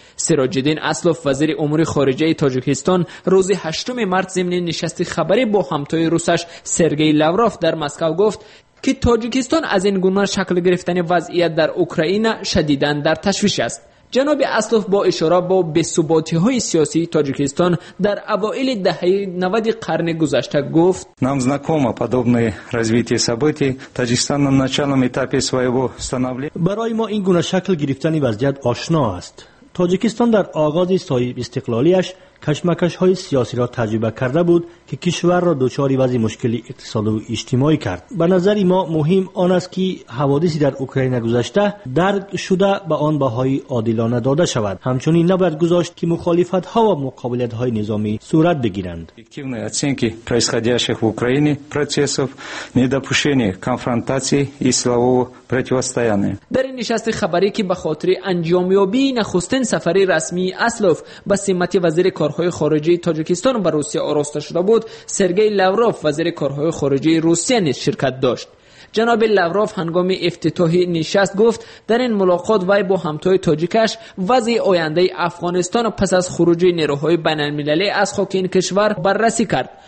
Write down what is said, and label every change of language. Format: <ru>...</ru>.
<fa>سراج‌الدین اسلوف وزیر امور خارجه تاجیکستان روز 8 مارس ضمن نشست خبری با همتای روسش سرگی لاوروف در مسکو گفت که تاجیکستان از این گونه شکل گرفتن وضعیت در اوکراین شدیداً در تشویش است. جناب اسلوف با اشاره به بی‌ثباتی های سیاسی تاجیکستان در اوائل دهه 90 قرن گذشته گفت</fa> <ru>нам знакомо подобное развитие событий Таджикистан на начальном этапе своего становления</ru> <fa>برای ما این گونه شکل گرفتن وضعیت آشنا است. تاجیکستان در آغاز صاحب استقلالیش کشمکش های سیاسی را تجربه کرده بود که کشور را دچار وضع مشکلی اقتصادی و اجتماعی کرد. به نظر ما مهم آن است که حوادثی در اوکراین گذشته درک شده به آن بهای عادلانه داده شود. همچنین نباید گذاشت که مخالفت ها و مقابلت های نظامی صورت بگیرند.</fa> <ru>اکتیونی оценки происходящих в Украине процессов недопущения конфронтации и силового противостояния.</ru> <fa>در این نشست خبری که به خاطر انجام یابی نخستین سفر رسمی اسلوف به سمت وزیر کارهای خارجی تاجیکستان به روسیه آراسته شده بود، سرگی لاوروف وزیر کارهای خارجی روسیه نیز شرکت داشت. جناب لاوروف هنگام افتتاح نشست گفت در این ملاقات وی با همتای تاجیکش وضع آینده افغانستان پس از خروج نیروهای بین المللی از خاک این کشور بررسی کرد.</fa>